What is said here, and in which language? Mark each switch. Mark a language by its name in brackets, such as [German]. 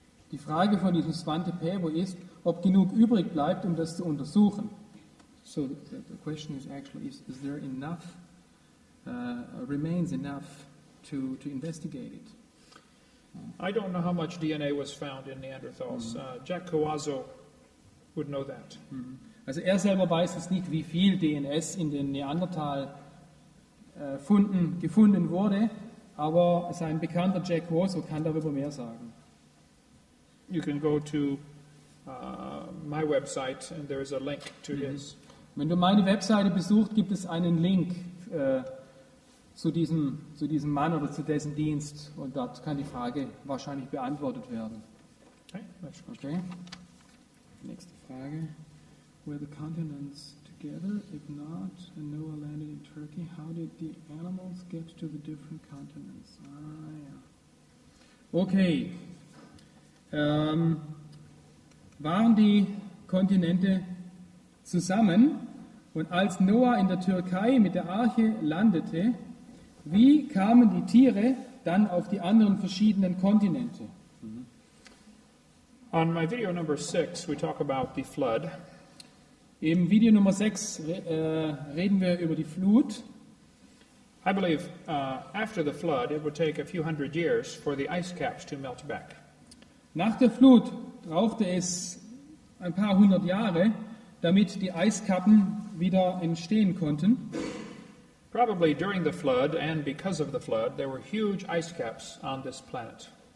[German] Die Frage von diesem Svante Pabo ist, ob genug übrig bleibt, um das zu untersuchen. [English] So the question is actually, is there enough, remains enough to investigate it? I don't know how much DNA was found in Neanderthals. Mm-hmm. Jack Coazzo would know that. Mm-hmm. [German] Also er selber weiß es nicht, wie viel DNS in den Neandertal-Funden gefunden wurde, aber sein Bekannter Jack Coazzo kann darüber mehr sagen. [English] You can go to my website and there is a link to his. [German] Wenn du meine Webseite besuchst, gibt es einen Link zu diesem Mann oder zu dessen Dienst, und dort kann die Frage wahrscheinlich beantwortet werden. Okay. Nächste Frage. [English] Were the continents together? If not, and Noah landed in Turkey, how did the animals get to the different continents? Okay. [German] Waren die Kontinente zusammen? Und als Noah in der Türkei mit der Arche landete, wie kamen die Tiere dann auf die anderen verschiedenen Kontinente? [English] On my video number 6, we talk about the flood. [German] Im Video Nummer 6 reden wir über die Flut. [English] I believe after the flood, it would take a few hundred years for the ice caps to melt back. [German] Nach der Flut brauchte es ein paar hundert Jahre, damit die Eiskappen wieder entstehen konnten. [English] Probably during the flood and because of the flood, there were huge ice caps on this planet.